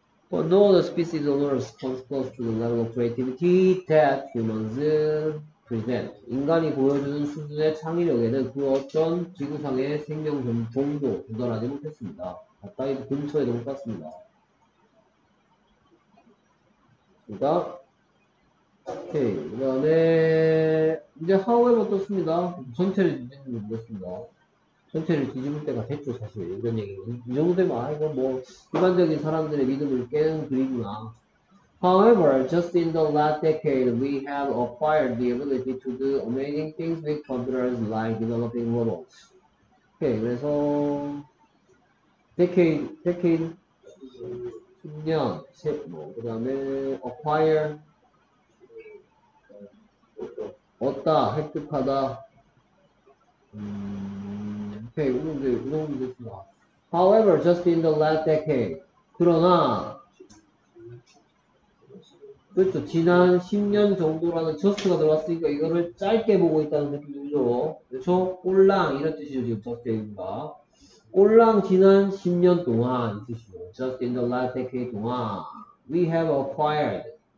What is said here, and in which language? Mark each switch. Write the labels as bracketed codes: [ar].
[en] But no other species on earth comes close to the level of creativity that humans present. [ko] 인간이 보여주는 수준의 창의력에는 그 어떤 지구상의 생명 종도 도달하지 못했습니다. 가까이 근처에도 못 갔습니다. 그러니까 오케이. 그다음에 이제 하우에 어떻습니다. 전체를 뒤집는 게 뭐겠습니다. 전체를 뒤집을 때가 됐죠, 사실. 이런 얘기. 이 정도 되면, 아, 이거 뭐, 일반적인 사람들의 믿음을 깨는 글이구나. [en] However, just in the last decade, we have acquired the ability to do amazing things with computers like developing robots. [ko] 오케이, 그래서, decade, 10년, 뭐, 그 다음에, acquire, 얻다, 획득하다. 오케이, 이 정도 됐습니다. [en] However, just in the last decade, [ko] 그러나, 그렇죠. 지난 10년 정도라는 just가 들어왔으니까 이거를 짧게 보고 있다는 느낌이 들죠. 그렇죠? 꼴랑 이런 뜻이죠. 지금 just인가. 꼴랑 지난 10년 동안 이 뜻이죠. [en] Just in the last decade 동안 we have acquired.